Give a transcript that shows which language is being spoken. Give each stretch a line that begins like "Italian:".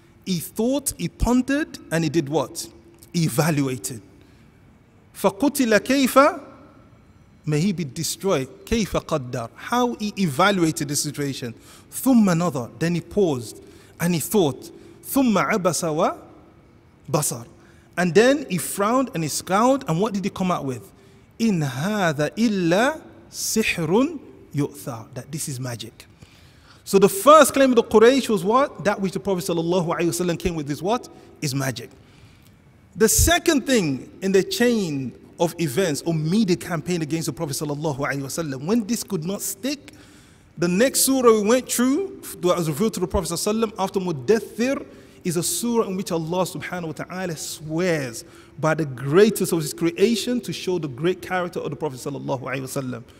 English: He thought, he pondered, and he did what? Evaluated.
Arabic: فَقُتِلَ كَيْفَ
English: may he be destroyed.
Arabic: كيف قدر,
English: how he evaluated the situation.
Arabic: ثم نظر,
English: then he paused and he thought.
Arabic: ثم عبس وبصر,
English: and then he frowned and he scowled, and what did he come out with?
Arabic: إن هذا إلا سحر يؤثر,
English: that this is magic. So the first claim of the Quraysh was what? That which the Prophet sallallahu alaihi wasallam came with is what? Is magic. The second thing in the chain of events or media campaign against the Prophet sallallahu alaihi wasallam, when this could not stick, the next surah we went through that was revealed to the Prophet sallallahu alaihi wasallam after Mudathir is a surah in which Allah subhanahu wa ta'ala swears by the greatest of his creation to show the great character of the Prophet sallallahu alaihi wasallam.